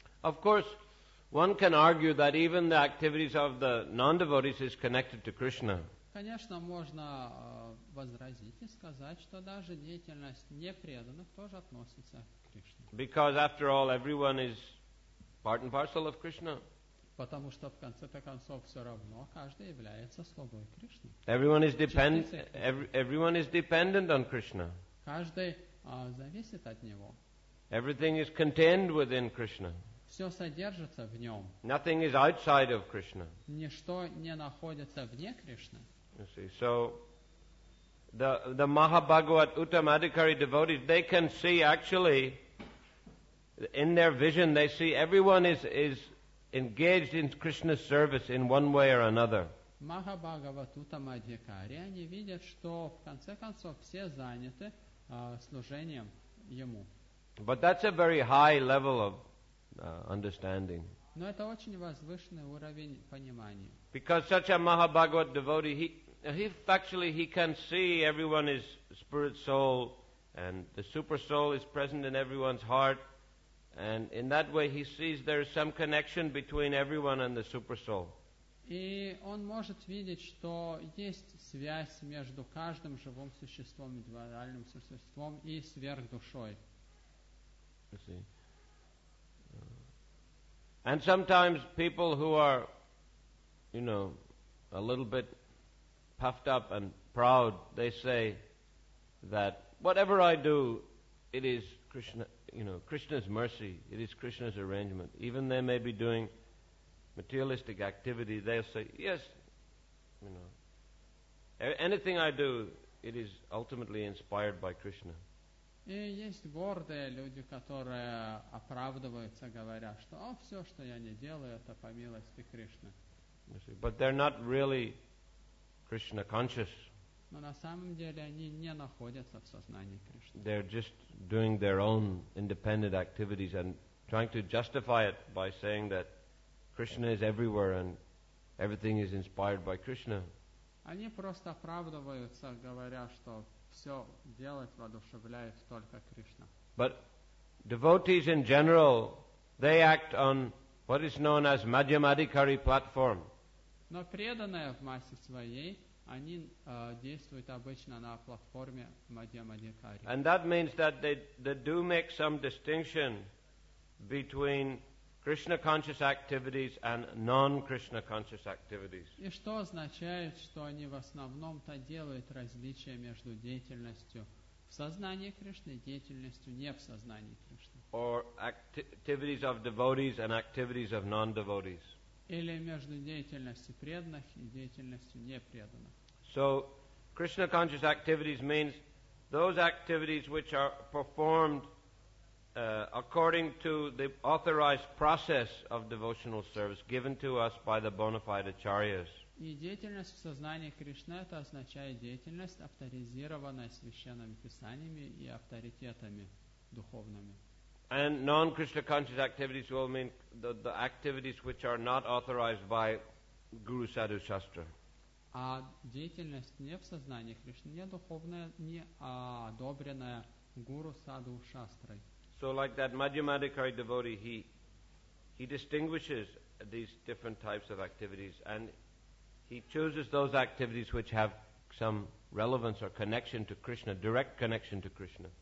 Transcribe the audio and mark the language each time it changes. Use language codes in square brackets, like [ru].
[en] Of course, one can argue that even the activities of the non-devotees is connected to Krishna. [ru] Конечно, можно возразить и сказать, что даже деятельность непреданных тоже относится к Кришне. [en] Because after all, everyone is part and parcel of Krishna. [ru] Потому что в конце-то концов все равно каждый является слугой Кришны. [en] Everyone is dependent on Krishna. [ru] Каждый зависит от него. [en] Everything is contained within Krishna. [ru] Все содержится в нем. [en] Nothing is outside of Krishna. [ru] Ничто не находится вне Кришны. [en] You see, so the Mahabhagavat Uttamadhikari devotees, they can see actually in their vision, they see everyone is engaged in Krishna's service in one way or another. [ru] Mahabhagavat Uttamadhikari, они видят, что в конце концов все заняты служением ему. [en] But that's a very high level of understanding. [ru] Но это очень возвышенный уровень понимания. [en] Because such a Mahabhagavat devotee, he can see everyone is spirit soul, and the super soul is present in everyone's heart, and in that way he sees there is some connection between everyone and the super soul. [ru] И он может видеть, что есть связь между каждым живым существом, индивидуальным существом и сверхдушой. [en] And sometimes people who are, you know, a little bit puffed up and proud, they say that whatever I do, it is Krishna, you know, Krishna's mercy, it is Krishna's arrangement. Even they may be doing materialistic activity, they'll say, yes, you know, anything I do, it is ultimately inspired by Krishna. [ru] И есть гордые люди, которые оправдываются, говоря, что «О, все, что я не делаю, это по милости Кришны». [en] But they're not really Krishna conscious. [ru] Но на самом деле они не находятся в сознании Кришны. [en] They're just doing their own independent activities and trying to justify it by saying that Krishna is everywhere and everything is inspired by Krishna. [ru] Они просто оправдываются, говоря, что все делать воодушевляет только Кришна. [en] But devotees in general, they act on what is known as Madhyamadhikari platform. [ru] Но преданные в массе своей, они действуют обычно на платформе Madhyamadhikari. [en] And that means that they do make some distinction between Krishna conscious activities and non-Krishna conscious activities. [ru] И что означает, что они в основном-то делают различие между деятельностью в сознании Кришны и деятельностью не в сознании Кришны. [en] Or activities of devotees and activities of non-devotees. [ru] Или между деятельностью преданных и деятельностью непреданных. [en] So, Krishna conscious activities means those activities which are performed according to the authorized process of devotional service given to us by the bona fide acharyas. [ru] И деятельность в сознании Кришны это означает деятельность, авторизированная священными писаниями и авторитетами духовными. [en] And non-Krishna conscious activities will mean the activities which are not authorized by Guru Sadhu Shastra. [ru] А деятельность не в сознании Кришны, не духовная, не одобренная Гуру Садху Шастрой. [en] So like that Madhyamadhikari devotee, he distinguishes these different types of activities and he chooses those activities which have some relevance or connection to Krishna, direct connection to Krishna.